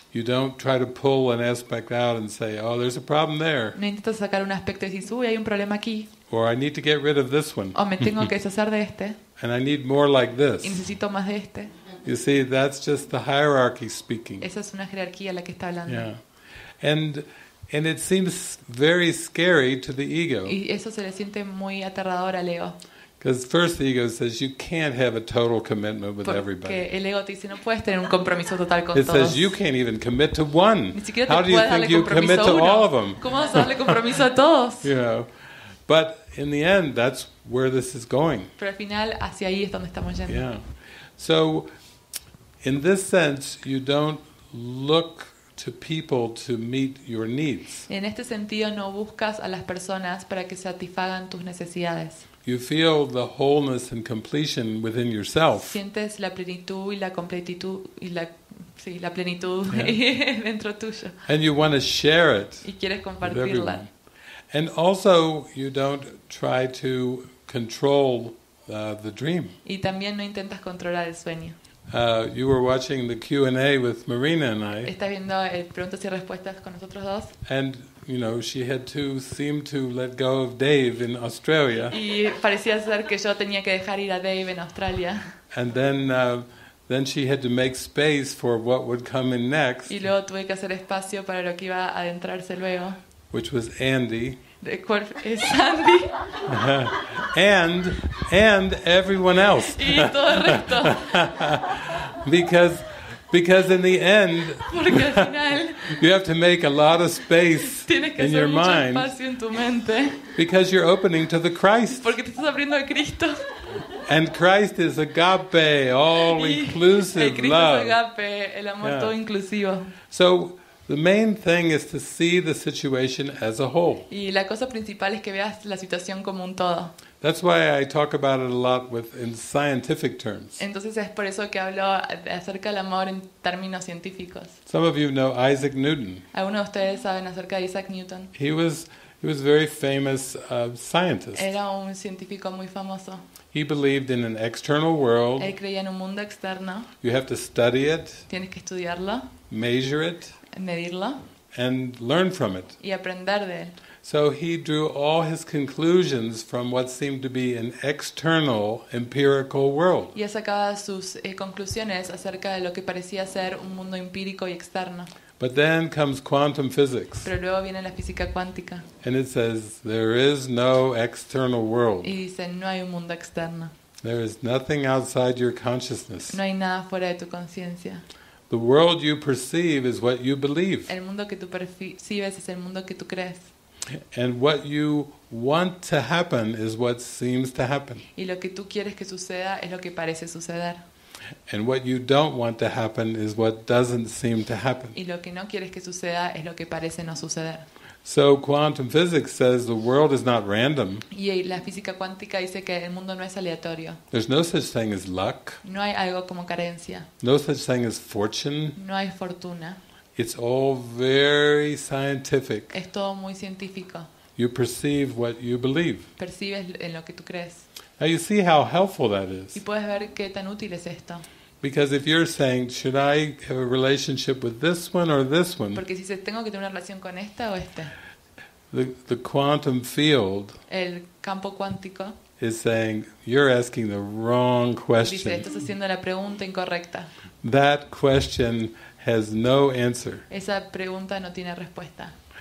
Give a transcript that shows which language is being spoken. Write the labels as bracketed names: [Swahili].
[English] You don't try to pull an aspect out and say, "Oh, there's a problem there." [Spanish] No intentas sacar un aspecto y decir, "Uy, hay un problema aquí." [English] Or I need to get rid of this one. [Spanish] O me tengo que deshacer de este. [English] And I need more like this. [Spanish] Y necesito más de este. [English] You see, that's just the hierarchy speaking. [Spanish] Esa es una jerarquía la que está hablando. [English] Yeah. And it seems very scary to the ego. [Spanish] Y eso se le siente muy aterrador al ego. [English] Because first the ego says you can't have a total commitment with everybody. [Spanish] Porque el ego te dice no puedes tener un compromiso total con todos. [English] It says you can't even commit to one. [Spanish] Ni siquiera te [English] How do you think you commit to all of them? [Spanish] ¿Cómo vas a darle compromiso a todos? [English] You know, but in the end, that's where this is going. [Spanish] Pero al final, hacia ahí es donde estamos yendo. [English] Yeah. So, in this sense, you don't look to people to meet your needs. [Spanish] En este sentido, no buscas a las personas para que satisfagan tus necesidades. [English] You feel the wholeness and completion within yourself. [Spanish] Sientes la plenitud y la completitud y la sí, la plenitud dentro tuyo. [English] And you want to share it. [Spanish] Y quieres compartirla. [English] And also, you don't try to control the dream. [Spanish] Y también no intentas controlar el sueño. [English] You were watching the Q&A with Marina and I. [Spanish] Estás viendo preguntas y respuestas con nosotros dos. [English] And you know, she had to seem to let go of Dave in Australia. [Spanish] Y parecía ser que yo tenía que dejar ir a Dave en Australia. [English] And then she had to make space for what would come in next. [Spanish] Y luego tuve que hacer espacio para lo que iba a adentrarse luego. [English] Which was Andy. [Spanish] ¿De cuál es Andy? [English] and everyone else. [Spanish] Y todo el resto. [English] Because Because in the end, [Spanish] porque al final, [English] you have to make a lot of space [Spanish] tienes que [English] in your mind [Spanish] espacio en tu mente. [English] Because you're opening to the Christ. [Spanish] Porque te estás abriendo a Cristo. [English] And Christ is agape, all-inclusive love. [Spanish] Y Cristo es agape, el amor todo inclusivo. [English] So the main thing is to see the situation as a whole. [Spanish] Y la cosa principal es que veas la situación como un todo. [English] That's why I talk about it a lot with in scientific terms. [Spanish] Entonces es por eso que hablo acerca del amor en términos científicos. [English] Some of you know Isaac Newton. [Spanish] ¿Alguno de ustedes saben acerca de Isaac Newton? [English] He was a very famous scientist. [Spanish] Era un científico muy famoso. [English] He believed in an external world. [Spanish] Él creía en un mundo externo. [English] You have to study it. [Spanish] Tienes que estudiarlo. [English] Measure it. [Spanish] Medirlo. [English] And learn from it. [Spanish] Y aprender de él. [English] So he drew all his conclusions from what seemed to be an external empirical world. [Spanish] Y sacaba sus conclusiones acerca de lo que parecía ser un mundo empírico y externo. [English] But then comes quantum physics. [Spanish] Pero luego viene la física cuántica. [English] And it says there is no external world. [Spanish] Y dice no hay un mundo externo. [English] There is nothing outside your consciousness. [Spanish] No hay nada fuera de tu conciencia. [English] The world you perceive is what you believe. [Spanish] El mundo que tú percibes es el mundo que tú crees. [English] And what you want to happen is what seems to happen. [Spanish] Y lo que tú quieres que suceda es lo que parece suceder. [English] And what you don't want to happen is what doesn't seem to happen. [Spanish] Y lo que no quieres que suceda es lo que parece no suceder. [English] So quantum physics says the world is not random. [Spanish] Y la física cuántica dice que el mundo no es aleatorio. [English] There's no such thing as luck. [Spanish] No hay algo como carencia. [English] No such thing as fortune. [Spanish] No hay fortuna. [English] It's all very scientific. [Spanish] Es todo muy científico. [English] You perceive what you believe. [Spanish] Percibes en lo que tú crees. [English] Now you see how helpful that is. [Spanish] Y puedes ver qué tan útil es esto. [English] Because if you're saying, should I have a relationship with this one or this one? [Spanish] Porque si dices tengo que tener una relación con esta o esta. [English] The quantum field. [Spanish] El campo cuántico. [English] Is saying you're asking the wrong question. [Spanish] Dice, estás haciendo la pregunta incorrecta. [English] That question has no answer. [Spanish] Esa pregunta no tiene respuesta.